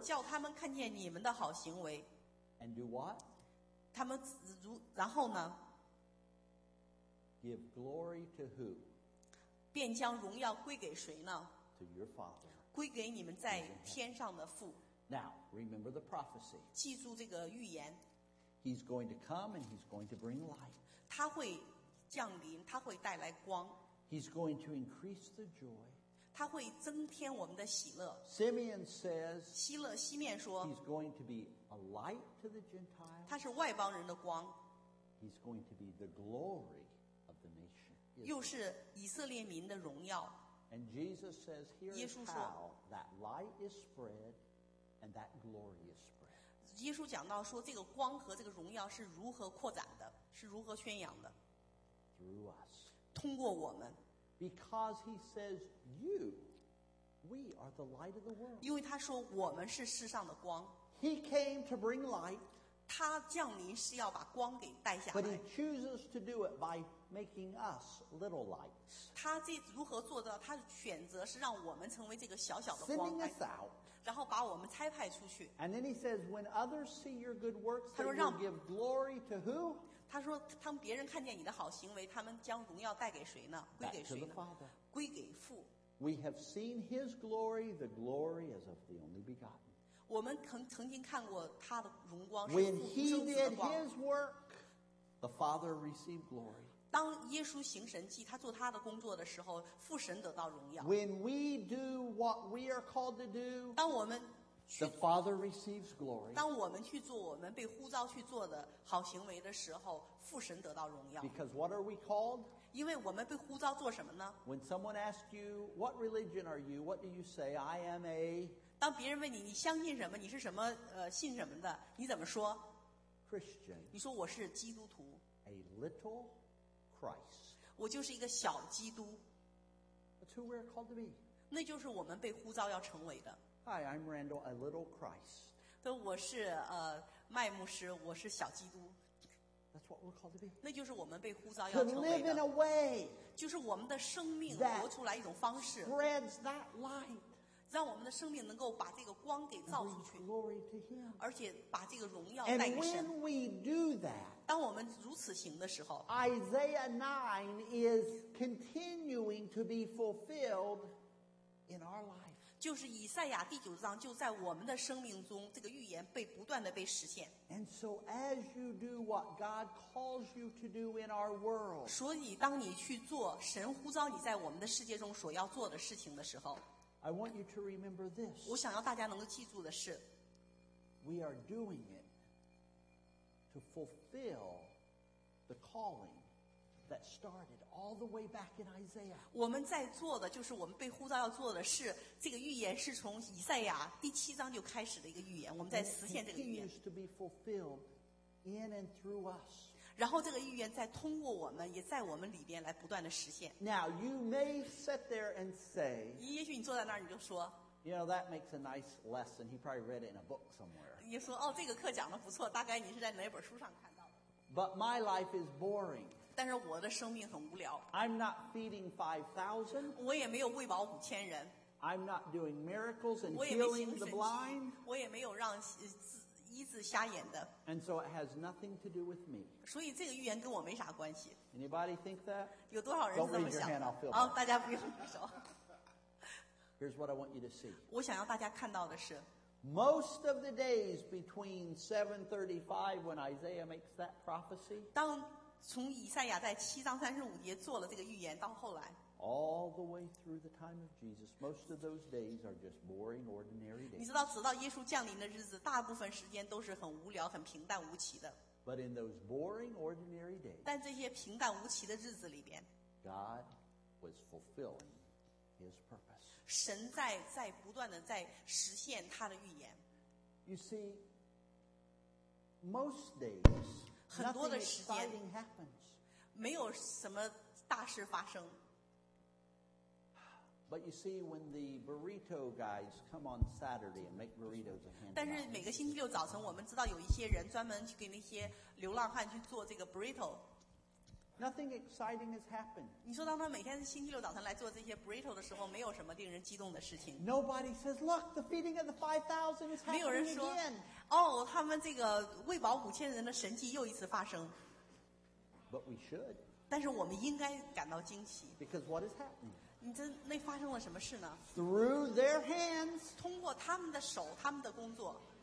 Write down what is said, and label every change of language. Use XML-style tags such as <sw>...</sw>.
<zh>叫他们看见你们的好行为</zh> <en>and do what?</en> <zh>他们然后呢</zh> <en>give glory to who?</en> <zh>便将荣耀归给谁呢</zh> <en>to your father,</en> <zh>归给你们在天上的父</zh> <en>Now, remember the prophecy.</en> <zh>记住这个预言</zh> <en>He's going to come and he's going to bring light.</en> <zh>他会降临，他会带来光</zh> <en>He's going to increase the joy.</en> <zh>他会增添我们的喜乐。</zh> <en>Simeon says,</en> <zh>希勒西面说</zh> <en>He's going to be a light to the Gentiles.</en> <zh>他是外邦人的光。</zh> <en>He's going to be the glory of the nation.</en> <zh>又是以色列民的荣耀。</zh> <en>And Jesus says, here is how that light is spread and that glory is spread.</en> <zh>耶稣讲到说这个光和这个荣耀是如何扩展的，是如何宣扬的。</zh> <en>Through us.</en> <zh>通过我们。</zh> <en>Because he says, you, we are the light of the world.</en> <zh>因为他说我们是世上的光。</zh> <en>He came to bring light.</en> <zh>他降临是要把光给带下来。</zh> <en>But he chooses to do it by making us little lights.</en> <zh>他这如何做到？他选择是让我们成为这个小小的光。</zh> <en>Sending us out.</en> <zh>然后把我们差派出去。</zh> <en>And then he says, when others see your good works, they will give glory to who?</en> <zh>他说当别人看见你的好行为他们将荣耀带给谁呢归给谁呢归给父</zh> <en>We have seen his glory the glory is of the only begotten</en> <zh>我们曾经看过他的荣光</zh> <en>When he did his work the father received glory</en> <zh>当耶稣行神迹他做他的工作的时候父神得到荣耀</zh> <en>When we do what we are called to do</en> <zh>当我们</zh> <en>The Father receives glory.</en> <zh>当我们去做我们被呼召去做的好行为的时候，父神得到荣耀。</zh> <en>Because what are we called?</en> <zh>因为我们被呼召做什么呢</zh> <en>？When someone asks you what religion are you, what do you say? I am a.</en> <zh>当别人问你你相信什么，你是什么信什么的，你怎么说</zh> <en>？Christian.</en> <zh>你说我是基督徒。</zh> <en>A little Christ.</en> <zh>我就是一个小基督。</zh> <en>That's who we're called to be.</en> <zh>那就是我们被呼召要成为的。</zh> <en>Hi, I'm Randall, a little Christ.</en> <zh>对，我是麦牧师，我是小基督。</zh> <en>That's what we're called to be.</en> <zh>那就是我们被呼召要成为的。</zh> <en>To live in a way.</en> <zh>就是我们的生命活出来一种方式。</zh> <en>Spreads that light.</en> <zh>让我们的生命能够把这个光给照出去。</zh> <en>Glory to Him.</en> <zh>而且把这个荣耀带给神。</zh> <en>And when we do that,</en> <zh>当我们如此行的时候</zh> <en>，Isaiah 9 is continuing to be fulfilled in our life.</en> <zh>就是以赛亚第九章就在我们的生命中这个预言被不断的被实现。</zh> <en>And so as you do what God calls you to do in our world,</en> <zh>所以当你去做神呼召你在我们的世界中所要做的事情的时候，</zh> <en>I want you to remember this.</en> <zh>我想要大家能够记住的是，</zh> <en>We are doing it to fulfill the calling. That started all the way back in Isaiah.</en> <zh>我们在做的就是我们被呼召要做的是这个预言是从以赛亚第七章就开始的一个预言我们在实现这个预言</zh> <en>It continues to be fulfilled in and through us.</en> <zh>然后这个预言再通过我们也在我们里边来不断的实现</zh> <en>Now you may sit there and say</en> <zh>也许你坐在那儿你就说</zh> <en>You know that makes a nice lesson He probably read it in a book somewhere</en> <zh>你说哦这个课讲的不错大概你是在哪本书上看到的</zh> <en>But my life is boring</en> <zh>但是我的生命很无聊。</zh> <en>I'm not feeding 5,000.</en> <zh>我也没有喂饱五千人。</zh> <en>I'm not doing miracles and healing the blind.</en> <zh>我也没有让医治瞎眼的。</zh> <en>And so it has nothing to do with me.</en> <zh>所以这个预言跟我没啥关系。</zh> <en>Anybody think that?</en> <zh>有多少人是这么想的？</zh> <en>Don't raise your hand, I'll feel bad.</en> <zh>大家不用举手。</zh> <en>Here's what I want you to see.</en> <zh>我想要大家看到的是。</zh> <en>Most of the days between 735 when Isaiah makes that prophecy.</en> <zh>当从以赛亚在七章三十五节做了这个预言到后来</zh> <en>All the way through the time of Jesus Most of those days are just boring ordinary days</en> <zh>你知道直到耶稣降临的日子大部分时间都是很无聊很平淡无奇的</zh> <en>But in those boring ordinary days</en> <zh>但这些平淡无奇的日子里边</zh> <en>God was fulfilling his purpose</en> <zh>神在不断的在实现他的预言</zh> <en>You see Most days</en> <zh>很多的时间</zh> <en>happens,</en> <zh>没有什么大事发生</zh> <en>But you see when the burrito guys come on Saturday and make burritos at hand</en> <zh>但是每个星期六早晨我们知道有一些人专门去给那些流浪汉去做这个 burrito</zh> <en>Nothing exciting has happened</en> <zh>你说当他每天星期六早晨来做这些 burrito 的时候没有什么令人激动的事情</zh> <en>Nobody says look the feeding of the 5,000 is happening again</en> <zh>哦，他们这个喂饱五千人的神迹又一次发生。</zh> <en>But we should.</en> <zh>但是我们应该感到惊奇。</zh> <en>Because what is happening?</en> <zh>你这那发生了什么事呢</zh> <en>？Through their hands.</en> <zh>通过他们的手，他们的工作。</zh>